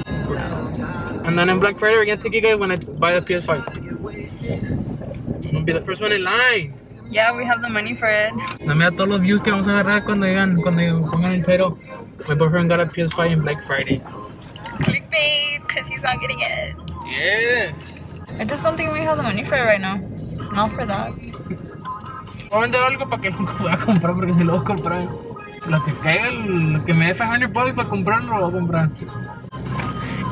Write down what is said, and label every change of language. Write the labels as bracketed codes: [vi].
[en] And then on Black Friday, we're gonna take you guys when I buy a PS5. I'm gonna be the first one in line. Yeah, we have the money for it. [es] Dame a todos los views que vamos a agarrar cuando pongan el title. [en] My boyfriend got a PS5 on Black Friday. Clickbait, because he's not getting it. Yes. I just don't think we have the money for it right now. Not for that. [es] Voy a vender algo para que lo pueda comprar, porque si lo voy a comprar, lo que caiga, lo que me dé 500 bucks para comprarlo, lo voy a comprar.